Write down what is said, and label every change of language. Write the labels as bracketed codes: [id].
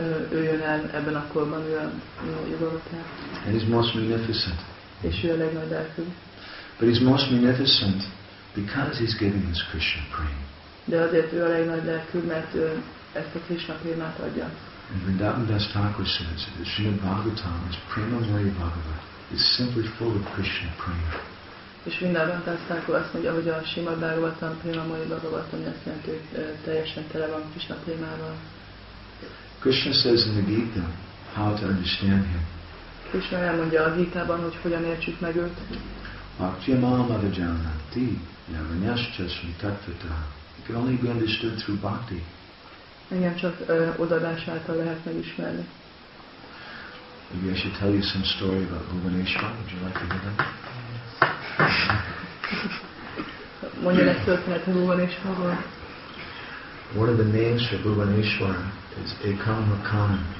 [hu] Ő jön el ebben a korban, ő a jogalatár. [en] And he's most munificent. [hu] És ő a legnagyobb. [en] But he's most munificent because he's giving his Krishna prem. [hu] De azért ő a legnagyobb, mert ő ezt a Krishna prémát adja. [en] And Vrindavan Das Thakur says that Srimad Bhagavatam is premamaya bhagavat. It's simply full of Krishna prem. [hu] És Vrindavan Das Thakur azt mondja, hogy a Srimad Bhagavatam premamaya bhagavat, ami azt jelenti, hogy teljesen tele van Krishna prémával. [en] Krishna says in the Gita how to understand him. [hu] Krishna elmondja a Gita-ban, hogy hogyan értsük meg őt. [sa] Bhaktya mama jananti yavanyascha smitatvita [en] It can only be understood through bhakti. [hu] Igen, csak odaadás által lehet megismerni. [en] Maybe I should tell you some story about Bhuvaneshwar. Would you like to hear that? [hu] Mondja egy történet Bhuvaneshwarról. [en] One of the names for Bhuvaneshwar is Ekamakana.